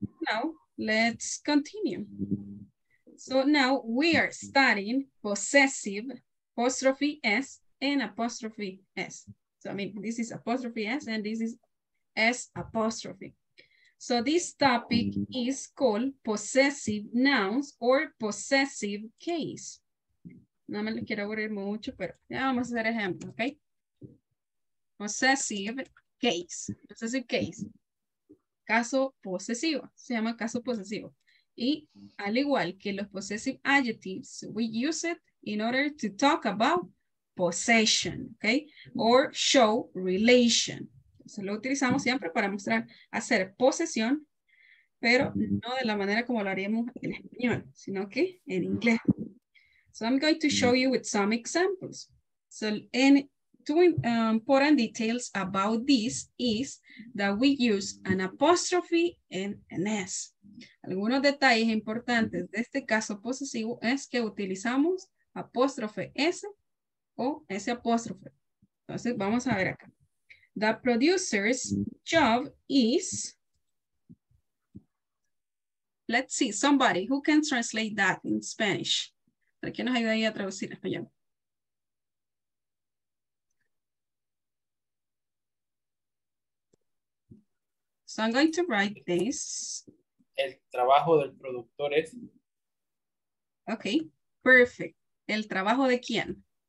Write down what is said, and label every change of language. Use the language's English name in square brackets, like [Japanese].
[English] Now, let's continue. So now we are studying possessive, apostrophe S, and apostrophe S. So I mean, this is apostrophe S, and this is S apostrophe. So this topic is called possessive nouns or possessive case. [Spanish] No me lo quiero aburrir mucho, pero ya vamos a hacer ejemplo, ¿ok? [English] Possessive case. Possessive case. [Spanish] caso posesivo. Se llama caso posesivo. Y al igual que los [English] possessive adjectives, we use it in order to talk about possession, okay? Or show relation. [Spanish] Entonces, lo utilizamos siempre para mostrar, hacer posesión, pero no de la manera como lo haríamos en español, sino que en inglés. [English] So I'm going to show you with some examples. So in two important details about this is that we use an apostrophe and an S. [Spanish] Algunos detalles importantes de este caso posesivo es que utilizamos apóstrofe S o S apóstrofe. Entonces vamos a ver acá. [English] The producer's job is, let's see, somebody who can translate that in Spanish. [Spanish] ¿Para qué nos ayuda ahí a traducir en español? [English] So I'm going to write this. [Spanish] El trabajo del productor es. [English] Okay, perfect. [Spanish] ¿El trabajo de quién?